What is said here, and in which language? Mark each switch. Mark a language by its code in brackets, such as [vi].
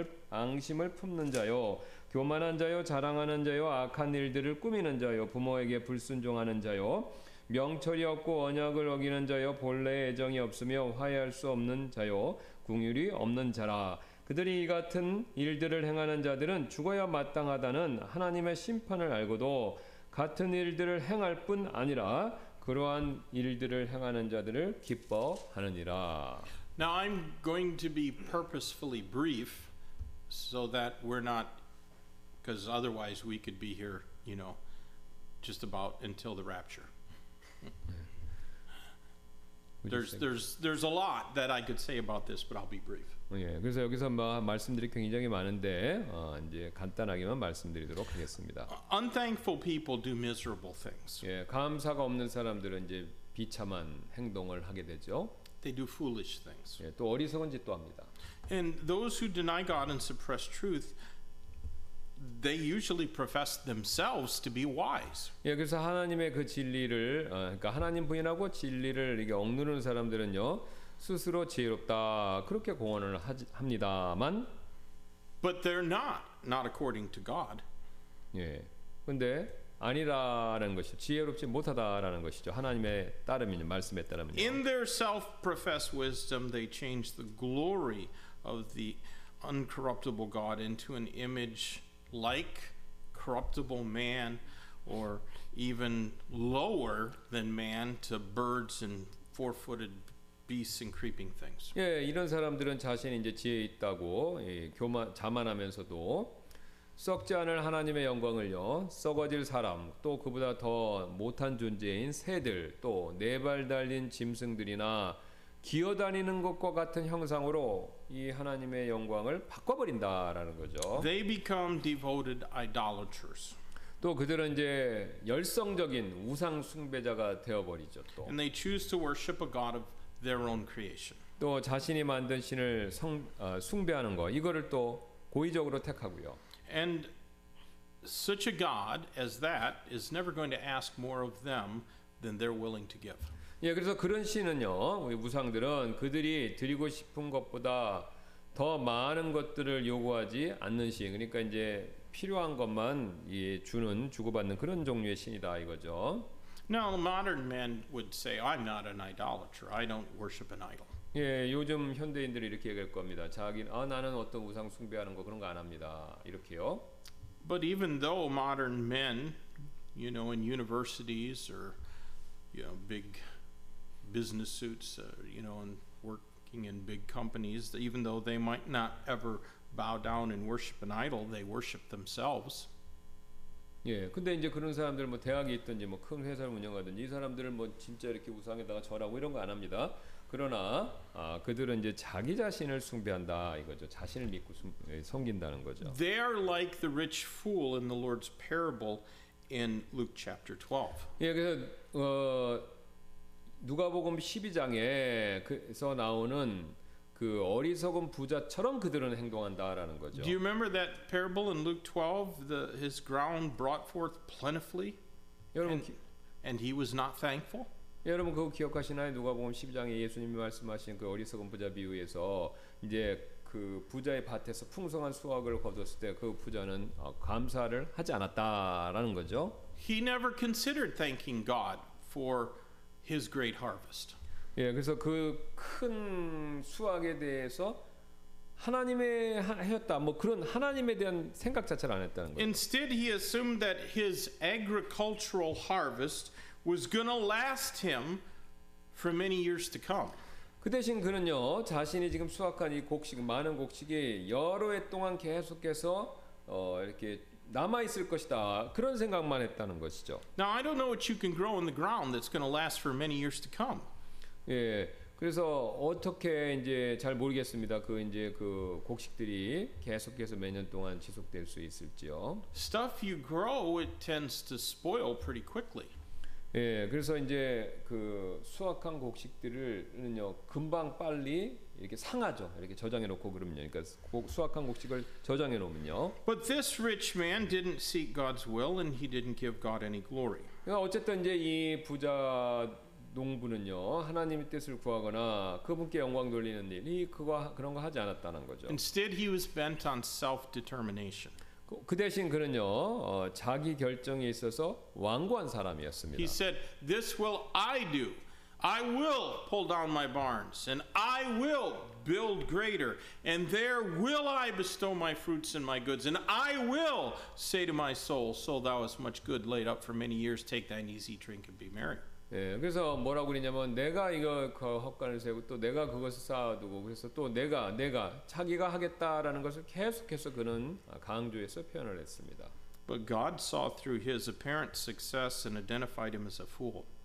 [ko] 앙심을 품는 자요, 교만한 자요, 자랑하는 자요, 악한 일들을 꾸미는 자요, 부모에게 불순종하는 자요, 명철이 없고 언약을 어기는 자요, 본래의 애정이 없으며 화해할 수 없는 자요, 궁휼이 없는 자라. 그들이 이 같은 일들을 행하는 자들은 죽어야 마땅하다는 하나님의 심판을 알고도 같은 일들을 행할 뿐 아니라 그러한 일들을 행하는 자들을 기뻐하느니라. [en] Now I'm going to be purposefully brief so that we're not, because otherwise we could be here, you know, just about until the rapture. There's a lot that I could say about this, but I'll be brief. [ko] 예, 그래서 여기서 말씀드릴 게 굉장히 많은데 이제 간단하게만 말씀드리도록 하겠습니다. [en] Unthankful people do miserable things. [ko] 예, 감사가 없는 사람들은 이제 비참한 행동을 하게 되죠. [en] They do foolish things. [ko] 예, 또 어리석은 짓도 합니다. [en] And those who deny God and suppress truth, they usually profess themselves to be wise. [ko] 예, 그래서 하나님의 그 진리를 그러니까 하나님 부인하고 진리를 이렇게 억누르는 사람들은요. 스스로 지혜롭다 그렇게 공언을 합니다만 [en] but they're not according to God. [ko] 예. 근데 아니라는 것이 지혜롭지 못하다라는 것이죠. 하나님의 따름이니 말씀에 따르면 [en] In their self-professed wisdom they change the glory of the uncorruptible God into an image like corruptible man or even lower than man to birds and four-footed beasts and creeping things. [ko] 예, 이런 사람들은 자신이 이제 지혜 있다고 예, 교만 자만하면서도 썩지 않을 하나님의 영광을요. 썩어질 사람, 또 그보다 더 못한 존재인 새들, 또 네 발 달린 짐승들이나 기어다니는 것과 같은 형상으로 이 하나님의 영광을 바꿔버린다라는 거죠. [en] They become devoted idolaters. [ko] 또 그들은 이제 열성적인 우상 숭배자가 되어 버리죠. 또. [en] And they choose to worship a god of their own creation. [ko] 또 자신이 만든 신을 숭배하는 거, 이거를 또 고의적으로 택하고요. [en] And such a god as that is never going to ask more of them than they're willing to give. [ko] 예, 그래서 그런 신은요, 우리 우상들은 그들이 드리고 싶은 것보다 더 많은 것들을 요구하지 않는 신. 그러니까 이제 필요한 것만 이 주는 주고받는 그런 종류의 신이다 이거죠. [en] Now the modern man would say, "I'm not an idolater. I don't worship an idol." [ko] 예, 요즘 현대인들이 이렇게 얘기할 겁니다. 자기는 나는 어떤 우상 숭배하는 거 그런 거 안 합니다. 이렇게요. [en] But even though modern men, you know, in universities or you know, big business suits, you know, and working in big companies, even though they might not ever bow down and worship an idol, they worship themselves. [ko] 예, 근데 이제 그런 사람들 뭐 대학에 있든지 뭐 큰 회사를 운영하든지 이 사람들은 뭐 진짜 이렇게 우상에다가 절하고 이런 거 안 합니다. 그러나 그들은 이제 자기 자신을 숭배한다 이거죠. 자신을 믿고 섬긴다는 거죠. [en] They are like the rich fool in the Lord's parable in Luke chapter 12. [ko] 예, 그래서 누가복음 12장에 그래서 나오는 그 어리석은 부자처럼 그들은 행동한다라는 거죠. [en] Do you remember that parable in Luke 12? His ground brought forth plentifully, [ko] 여러분, [en] and he was not thankful. [ko] 여러분 그거 기억하시나요? 누가복음 12장에 예수님이 말씀하신 그 어리석은 부자 비유에서 이제 그 부자의 밭에서 풍성한 수확을 거두었을 때 그 부자는 감사를 하지 않았다라는 거죠. [en] He never considered thanking God for his great harvest. [ko] 예, 그래서 그 큰 수확에 대해서 하나님의 하였다 뭐 그런 하나님에 대한 생각 자체를 안 했다는 거예요. [en] Instead, he assumed that his agricultural harvest was going to last him for many years to come. [ko] 그 대신 그는요, 자신이 지금 수확한 이 곡식, 많은 곡식이 여러 해 동안 계속해서 이렇게 남아 있을 것이다. 그런 생각만 했다는 것이죠. [en] Now, I don't know what you can grow in the ground that's going to last for many years to come. [ko] 예. 그래서 어떻게 이제 잘 모르겠습니다. 그 이제 그 곡식들이 계속해서 몇 년 동안 지속될 수 있을지요. [en] Stuff you grow it tends to spoil pretty quickly. [ko] 예. 그래서 이제 그 수확한 곡식들은요. 금방 빨리 이렇게 상하죠. 이렇게 저장해 놓고 그러면요. 그러니까 수확한 곡식을 저장해 놓으면요. [en] But this rich man didn't seek God's will and he didn't give God any glory. [ko] 그러니까 어쨌든 이제 이 부자 농부는요, 하나님의 뜻을 구하거나 그분께 영광 돌리는 일이 그거 그런 거 하지 않았다는 거죠. [en] Instead, he was bent on self-determination. [ko] 그 대신 그는요, 자기 결정에 있어서 완고한 사람이었습니다. [en] He said, "This will I do. I will pull down my barns, and I will build greater, and there will I bestow my fruits and my goods, and I will say to my soul, 'Soul, thou hast much good laid up for many years. Take thine easy drink and be merry.'" [ko] 예, 그래서 뭐라고 그러냐면 내가 이거 그 헛간을 세우고 또 내가 그것을 쌓아두고 그래서 또 내가 자기가 하겠다라는 것을 계속해서 그는 강조해서 표현을 했습니다. [en] But God saw through his apparent success and identified him as a fool.